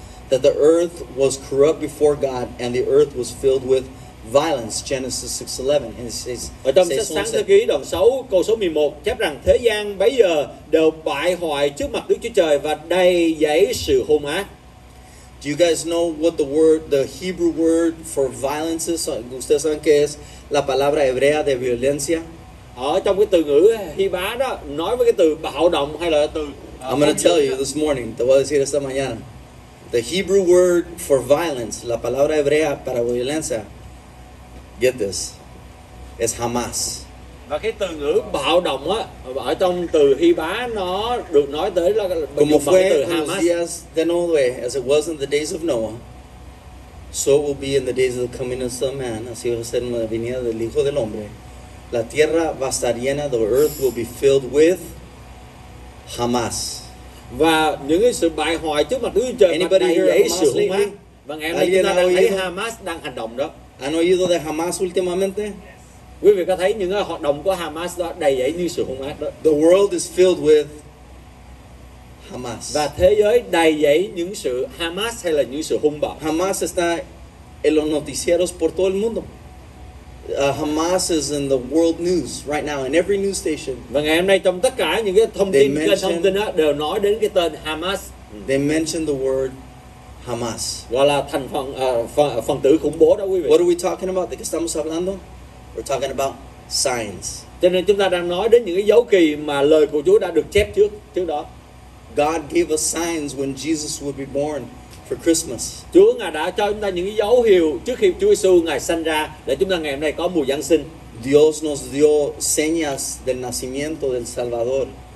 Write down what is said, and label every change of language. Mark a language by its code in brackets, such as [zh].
[en] That the earth was corrupt before God and the earth was filled with violence. Genesis 6:11. And it says, [vi] ở trong sách Sáng Thế Ký đoạn 6 câu số 11 chép rằng thế gian bấy giờ đều bại hoại trước mặt Đức Chúa Trời và đầy dẫy sự hung ác. [en] Do you guys know what the word, the Hebrew word for violence is? [es] ¿Ustedes saben qué es la palabra hebrea de violencia? [vi] Ở trong cái từ ngữ Hebrew đó, nói với cái từ bạo động hay là từ... [en] I'm going to tell you this morning, [es] te voy a decir esta mañana. [en] The Hebrew word for violence, [es] la palabra hebrea para violencia, [en] get this, es Hamas. [vi] Và cái từ ngữ bạo động á, ở trong từ Hy Bá nó được nói tới là [es] como fue en los días de Noé, [en] as it was in the days of Noah. So it will be in the days of the coming of the man. [es] Así va a ser en la venida del Hijo del Hombre. La tierra va a estar llena. [en] The earth will be filled with Hamas. [vi] Và những cái sự bài hỏi trước mặt Đức Chúa Trời mặt này là Hamas lên mà. Vâng em ơi, chúng ta đang thấy Hamas đang hành động đó. [es] Han oído de Hamas últimamente? [vi] Quý vị có thấy những hoạt động của Hamas đó đầy dẫy như sự hung ác đó. [en] The world is filled with Hamas. [vi] Và thế giới đầy dẫy những sự Hamas hay là những sự hung bạo. [es] Hamas está en los noticieros por todo el mundo. [en] Hamas is in the world news right now in every news station. [vi] Và ngày hôm nay trong tất cả những cái thông tin kênh thông tin đó đều nói đến cái tên Hamas. [en] They mention the word Hamas. [vi] Gọi là thành phần phần tử khủng bố đó quý vị. [en] What are we talking about? [es] ¿De qué estamos hablando? [en] We're talking about signs. [vi] Cho nên chúng ta đang nói đến những cái dấu kỳ mà lời của Chúa đã được chép trước đó. [en] God gave us signs when Jesus would be born for Christmas. [vi] Chúa ngài đã cho chúng ta những dấu hiệu trước khi Chúa Giêsu ngài sanh ra để chúng ta ngày hôm nay có mùa Giáng sinh. [es] Dios nos dio señas del nacimiento del Salvador.